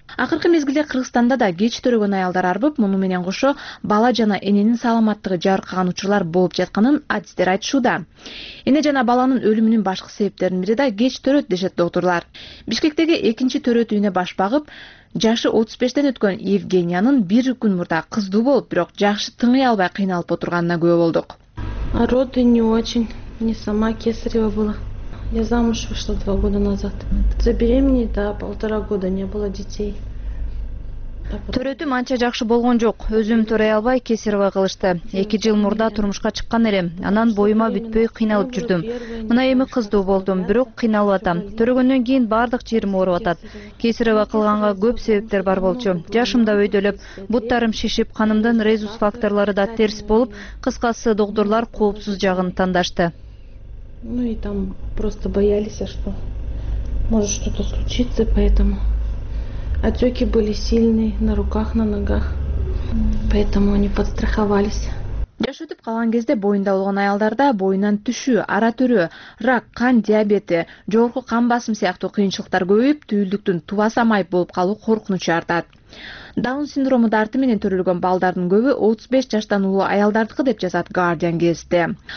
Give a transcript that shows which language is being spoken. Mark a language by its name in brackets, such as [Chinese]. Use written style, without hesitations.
[Kyrgyz] Акыркы мезгилде Кыргызстанда да кеч төрөгөн аялдар арбып, муну менен кошо бала жана эненин саламаттыгы жаркыраган учурлар болуп жатканын адистер айтышууда. Эне жана баланын өлүмүнүн башкы себептеринин бири да кеч төрөт дешет доктурлар. Бишкектеги экинчи төрөт үйүнө баш багып, жашы 35 өткөн Евгениянын бир күн мурда кыздуу болуп, бирок жакшы тыңый албай кыйналып отурганына күбө болдук. [Russian] Роды не очень, мне сама кесарево было. Я замуж вышла 2 года назад. Забеременеть, да, 1.5 года не было детей. [Kyrgyz] Төрөтүм анча жакшы болгон жок. Өзүм төрөй албай кесарево кылышты. 2 жыл мурда турмушка чыккан элем. Анан боюма бүтпөй кыйналып жүрдүм. Мына эми кыздуу болдум, бирок кыйналып атам. Төрөгөндөн кийин бардык жерим ооруп атат. Кесарево кылганга көп себептер бар болчу. Жашым да өйдөлөп, буттарым шишип, канымдын резус факторлору да терс болуп, кыскасы доктурлар коопсуз жагын тандашты. [Russian] Ну и там просто боялись, что может что-то случиться, поэтому отеки были сильные на руках, на ногах, поэтому они подстраховались. [Kyrgyz] Жаш өтүп калган кезде боюнда болгон аялдарда боюнан түшүү, ара түрүү, рак, кан диабети, жогорку кан басым сыяктуу кыйынчылыктар көбөйүп, түйүлдүктүн тубаса майып болуп калуу коркунучу артат. Даун синдрому дарты менен төрөлгөн балдардын көбү 35 жаштан улуу аялдардыкы деп жазат Guardian гезити.